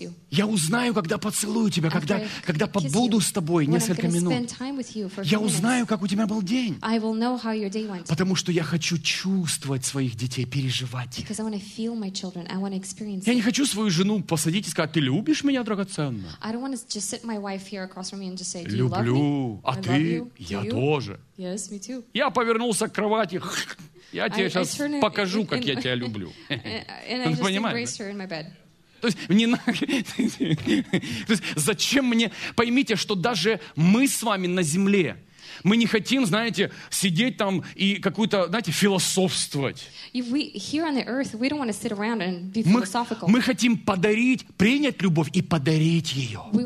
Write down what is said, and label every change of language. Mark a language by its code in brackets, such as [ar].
[ru] Я узнаю, когда поцелую тебя, когда побуду с тобой несколько минут. Я узнаю, как у тебя был день. Потому что я хочу чувствовать своих детей, переживать их. [en] Children, I want to experience [ru] Я не хочу свою жену посадить и сказать, ты любишь меня, драгоценная? [en] I don't want to just sit my wife here across from me and just say, do you [ru] Люблю. [en] Love me? [ru] А ты? Я тоже. [en] Yes, me too. [ru] Я повернулся к кровати. Я тебе сейчас покажу, как я тебя люблю. [en] And I just embrace her in my bed. [ru] То есть, не надо... То есть, зачем мне... Поймите, что даже мы с вами на земле, мы не хотим, знаете, сидеть там и какую-то, знаете, философствовать. Мы хотим подарить, принять любовь и подарить ее.